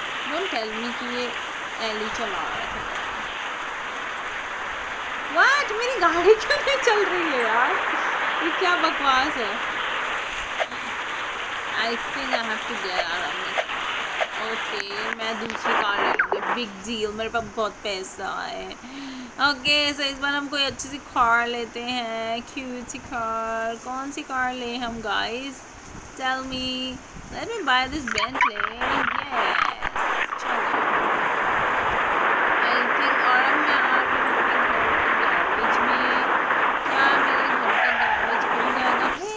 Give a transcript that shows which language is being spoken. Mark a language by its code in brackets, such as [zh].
[en] Don't tell me [hi] कि ये Eli चला रहा था। [en] What? [hi] मेरी गाड़ी क्यों नहीं चल रही है यार? ये क्या बकवास है? [en] I think I have to get out of here. [hi] Okay, मैं दूसरी कार ले लूँगी। Big deal, मेरे पास बहुत पैसा है। ओके सो इस बार हम कोई अच्छी सी कार लेते हैं, क्यूट सी कार। कौन सी कार लें हम guys, [en] Tell me, let me buy this Bentley. [hi] Yes चलो, [en] I think [hi] और हम यहाँ पे गैरेज में, क्या मेरे घर का गैरेज खुल जाएगा?